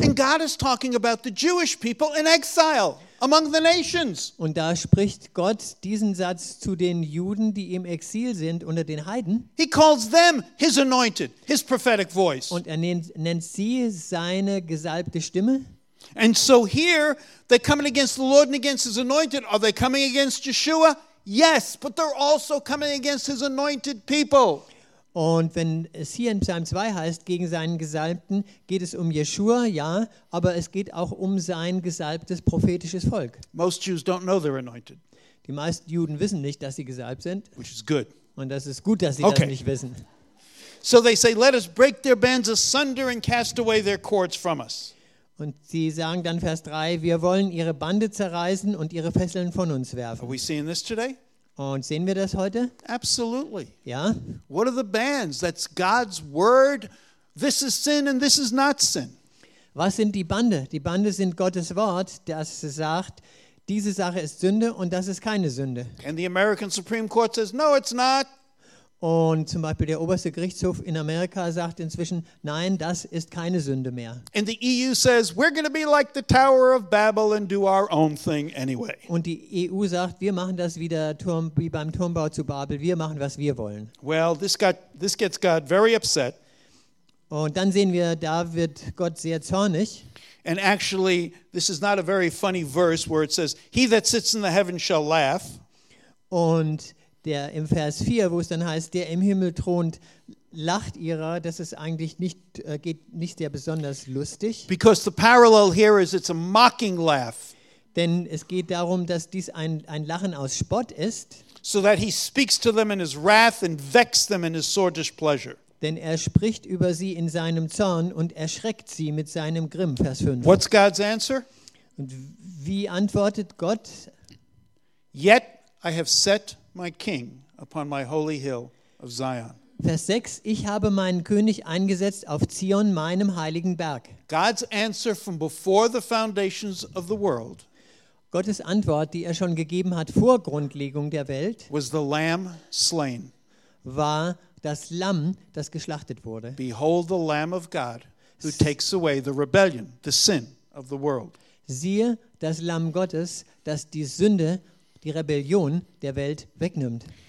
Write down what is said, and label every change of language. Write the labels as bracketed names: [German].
[English] And God is talking about the Jewish people in exile among the nations. [German] Und da spricht Gott diesen Satz zu den Juden, die im Exil sind unter den Heiden. [English] He calls them his anointed, his prophetic voice. [German] Und nennt sie seine gesalbte Stimme. [English] And so here they're coming against the Lord and against his anointed. Are they coming against Yeshua? Yes, but they're also coming against his anointed people. [German] Und wenn es hier in Psalm 2 heißt, gegen seinen Gesalbten, geht es um Yeshua, ja, aber es geht auch um sein gesalbtes prophetisches Volk. [English] Most Jews don't know they're anointed. [German] Die meisten Juden wissen nicht, dass sie gesalbt sind. [English] Which is good. [German] Und das ist gut, dass sie okay. Das nicht wissen. [English] So they say, let us break their bands asunder and cast away their cords from us. [German] Und sie sagen dann Vers 3, wir wollen ihre Bande zerreißen und ihre Fesseln von uns werfen. [English] Are we seeing this today? [German] Und sehen wir das heute? [English] Absolutely. [German] Ja. [English] What are the bands? That's God's word. This is sin and this is not sin. [German] Was sind die Bande? Die Bande sind Gottes Wort, das sagt, diese Sache ist Sünde und das ist keine Sünde. [English] And the American Supreme Court says, no, it's not. [German] Und zum Beispiel der oberste Gerichtshof in Amerika sagt inzwischen, nein, das ist keine Sünde mehr. [English] And the EU says, we're going to be like the Tower of Babel and do our own thing anyway. [German] Und die EU sagt, wir machen das wie der Turm, wie beim Turmbau zu Babel, wir machen, was wir wollen. [English] Well, this gets God very upset. [German] Und dann sehen wir, da wird Gott sehr zornig. [English] And actually, this is not a very funny verse where it says, he that sits in the heavens shall laugh. [German] Und der im Vers 4, wo es dann heißt, der im Himmel thront, lacht ihrer, das ist eigentlich nicht, geht nicht sehr besonders lustig. [English] Because the parallel here is, it's a mocking laugh. [German] Denn es geht darum, dass dies ein Lachen aus Spott ist. [English] So that he speaks to them in his wrath and vexes them in his sore displeasure. [German] Denn er spricht über sie in seinem Zorn und erschreckt sie mit seinem Grimm. Vers 5. [English] What's God's answer? [German] Und wie antwortet Gott? [English] Yet I have set my king upon my holy hill of Zion. [German] Vers 6, ich habe meinen König eingesetzt auf Zion, meinem heiligen Berg. [English] God's answer from before the foundations of the world. [German] Gottes Antwort, die er schon gegeben hat vor Grundlegung der Welt, [English] was the lamb slain. [German] War das Lamm, das geschlachtet wurde. [English] Behold the lamb of God who takes away the rebellion, the sin of the world. [German] Siehe das Lamm Gottes, das die Sünde, die Rebellion der Welt wegnimmt.